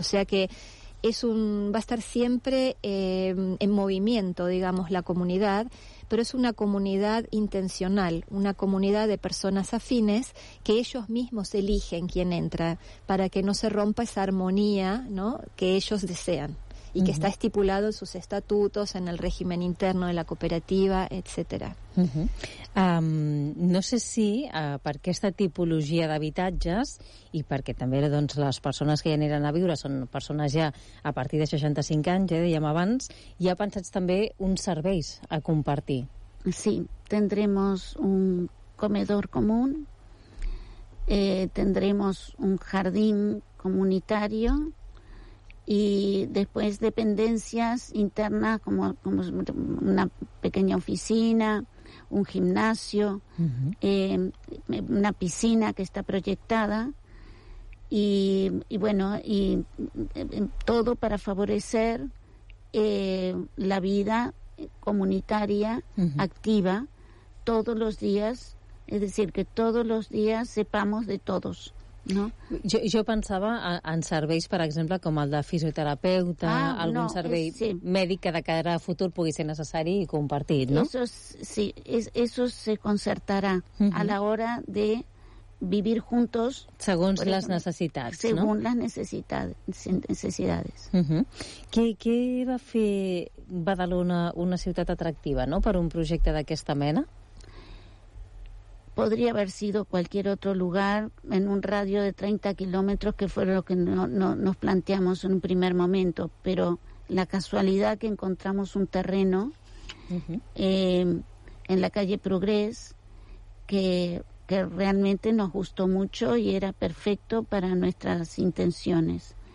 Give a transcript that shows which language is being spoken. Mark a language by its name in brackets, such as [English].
[Spanish] O sea que va a estar siempre en movimiento, digamos, la comunidad, pero es una comunidad intencional, una comunidad de personas afines que ellos mismos eligen quién entra, para que no se rompa esa armonía, ¿no?, que ellos desean y que está estipulado en sus estatutos, en el régimen interno de la cooperativa, etcétera. [Catalan] No sé si per aquesta tipologia d'habitatges, i perquè també doncs, les persones que ja aniran a viure són persones ja a partir de 65 anys, ja dèiem abans, hi ha pensats també uns serveis a compartir. [Spanish] Sí, tendremos un comedor comú, tendremos un jardín comunitario y después dependencias internas, como una pequeña oficina, un gimnasio, una piscina que está proyectada, y bueno, y todo para favorecer la vida comunitaria activa todos los días, es decir, que todos los días sepamos de todos. No. [Catalan] Jo pensava en serveis, per exemple, com el de fisioterapeuta, algun servei mèdic que de cara a futur pugui ser necessari i compartit, no? [Spanish] Eso se concertará a la hora de vivir juntos... [Catalan] Segons les ejemplo, necessitats, [Spanish] según no? [Catalan] Segons les necessitats. Què va fer Badalona una ciutat atractiva, no?, per un projecte d'aquesta mena? [Spanish] Podría haber sido cualquier otro lugar en un radio de 30 kilómetros, que fue lo que nos planteamos en un primer momento, pero la casualidad que encontramos un terreno en la calle Progrés que realmente nos gustó mucho y era perfecto para nuestras intenciones.